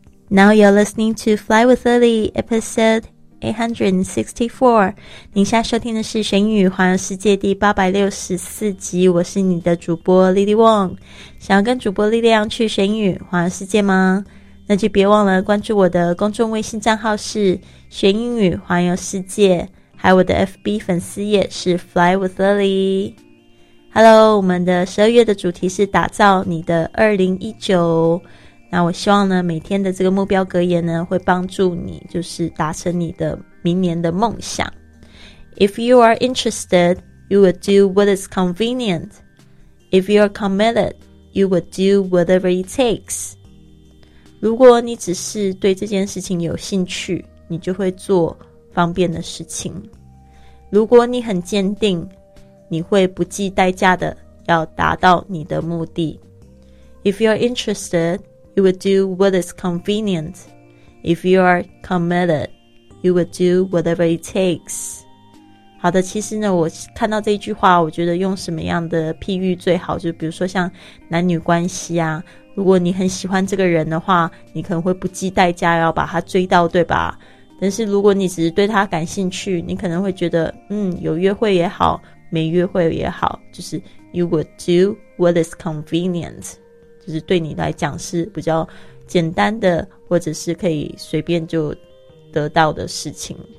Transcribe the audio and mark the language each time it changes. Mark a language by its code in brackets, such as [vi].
[en] Now you're listening to Fly with Lily, episode 864. [zh] 您现在收听的是玄语环游世界第864集，我是你的主播 Lily Wong。想要跟主播力量去玄语环游世界吗？那就别忘了关注我的公众微信账号是玄语环游世界，还有我的 FB 粉丝页是 Fly with Lily。 Hello， 我们的12月的主题是打造你的2019。那我希望呢，每天的这个目标格言呢，会帮助你就是达成你的明年的梦想。 [en] If you are interested, you will do what is convenient. If you are committed, you will do whatever it takes. [zh] 如果你只是对这件事情有兴趣，你就会做方便的事情。如果你很坚定，你会不计代价的要达到你的目的。 [en] If you are interested, you will do what is convenient. If you are committed, you will do whatever it takes. [zh] 好的，其实呢，我看到这句话，我觉得用什么样的譬喻最好？就比如说像男女关系啊，如果你很喜欢这个人的话，你可能会不计代价要把他追到，对吧？但是如果你只是对他感兴趣，你可能会觉得，有约会也好，没约会也好，就是 [en] you would do what is convenient， [zh] 就是对你来讲是比较简单的，或者是可以随便就得到的事情。